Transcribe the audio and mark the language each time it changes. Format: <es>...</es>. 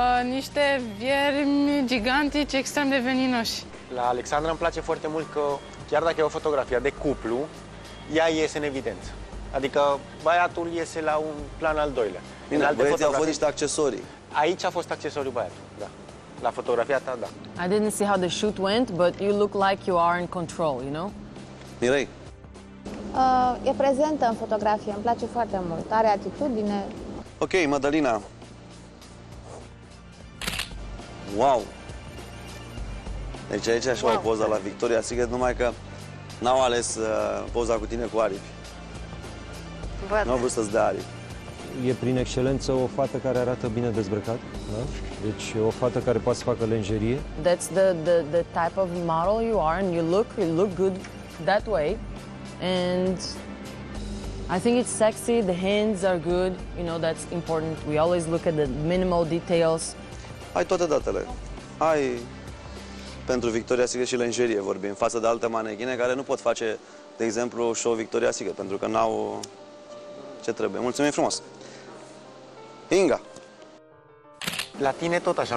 <ro>Niște viermi gigantici extrem de veninoși. La Alexandra îmi place foarte mult că, chiar dacă e o fotografie de cuplu, ea iese în evidență. Adică băiatul iese la un plan al doilea. Bine, în alte băieții fotografii... au fost niște accesorii. Aici a fost accesoriul băiatul, da. La fotografia ta, da.</ro> <en>I didn't see how the shoot went, but you look like you are in control, you know?</en> <ro>Mirei. E prezentă în fotografie, îmi place foarte mult. Are atitudine. Ok, Madalina. Wow! Deci aici așa wow. O poza la Victoria Secret, numai că n-au ales poza cu tine cu aripi. Nu au vrut să-ți dea aripi. E prin excelență o fată care arată bine dezbrăcat, da? Deci o fată care poate să facă lingerie.</ro> <en>That's the type of model you are and you look good that way. And I think it's sexy, the hands are good, you know, that's important. We always look at the minimal details.</en> <ro>Ai toate datele. Ai pentru Victoria Secret și lingerie vorbim, față de alte manechine care nu pot face, de exemplu, show Victoria Secret, pentru că n-au ce trebuie. Mulțumim frumos! Inga! La tine tot așa.</ro>